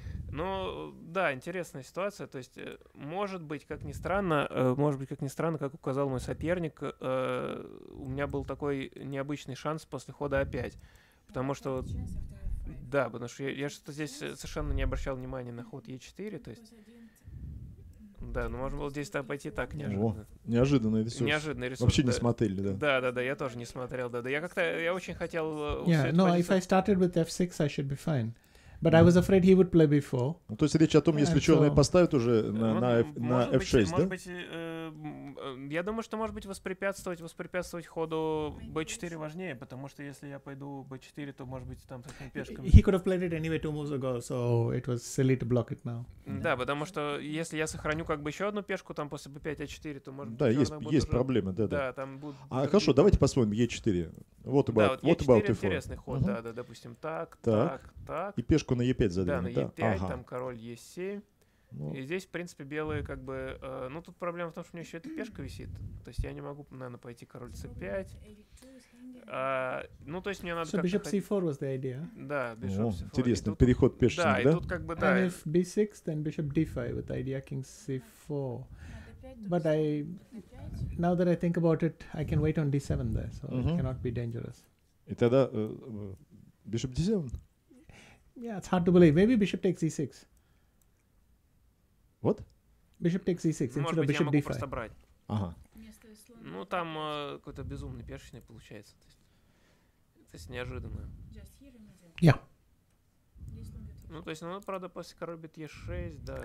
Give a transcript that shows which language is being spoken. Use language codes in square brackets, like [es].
[ru] Ну, да, интересная ситуация. То есть, может быть, как ни странно, как указал мой соперник, у меня был такой необычный шанс после хода А5. Потому что... Да, потому что я что-то здесь совершенно не обращал внимания на ход Е4, то есть... Да, ну, можно было здесь там пойти так, неожиданно. О, неожиданный ресурс. Неожиданный ресурс. Вообще да. Не смотрели, да. Да-да-да, я тоже не смотрел, да-да. Я как-то, я очень хотел... [en] Yeah, no, if I started with F6, I should be fine. But I was afraid he would play before. [ru] Ну, то есть речь о том, если черные поставят уже на F6, да? Может быть, я думаю, что, может быть, воспрепятствовать ходу B4 важнее, потому что если я пойду B4, то, может быть, там с этими пешками... [en] He could have played it anyway 2 moves ago, so it was silly to block it now. [ru] Да, потому что если я сохраню как бы еще одну пешку там после B5, A4, то, может быть, да, есть проблемы, да-да. Да, там будут... А, хорошо, давайте посмотрим E4. [en] What about, [ru] да, вот E4 интересный ход, uh-huh. Да, допустим, так. И пешку на E5 задвинуть, да? Да, на E5, ага. Там король E7, ну. И здесь, в принципе, белые как бы... ну, тут проблема в том, что у меня еще эта пешка висит, то есть я не могу, наверное, пойти король C5. Ну, то есть мне надо... [en] So bishop C4 was the idea? Да, bishop C4. [ru] Интересный тут, переход пешечек, да? Да, и тут как бы, да. [en] And if B6, then bishop D5 with the idea king C4. But I, now that I think about it, I can wait on D7 there, so uh-huh. It cannot be dangerous. [ru] И тогда [en] bishop D7? Yeah, it's hard to believe. Maybe bishop takes E6. What? Bishop takes E6 instead of bishop D5. [ru] Может быть, я могу просто брать. Ага. Ну, там какой-то безумный першечный получается. То есть неожиданно. [en] Yeah. [ru] Ну, то есть, ну, правда, после король бит E6, да.